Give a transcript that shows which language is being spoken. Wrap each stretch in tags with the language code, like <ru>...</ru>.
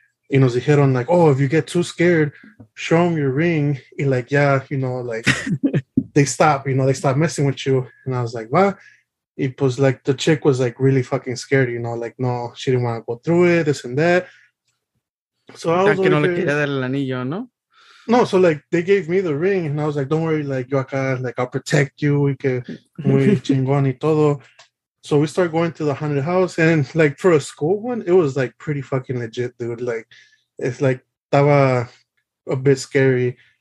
<es>Y nos dijeron</es> <en>like, oh, if you get too scared, show them your ring. Y like, yeah, you know, like they stop messing with you. And I was like, what?</en> <es>Y pues</es> <en>like the chick was like really fucking scared, you know, like no, she didn't want to go through it, this and that. So I was like,</en> <es>no le quería dar el anillo, ¿no?</es> <en>No, so like they gave me the ring and I was like, don't worry, like</en> <es>yo acá,</es> <en>like I'll protect you,</en> <es>y que muy chingón y todo.</es> <en>So we start going to the haunted house, and like for a school one, it was like pretty fucking legit, dude. Like, it's like,</en> <es>estaba</es> <en>a bit scary.</en>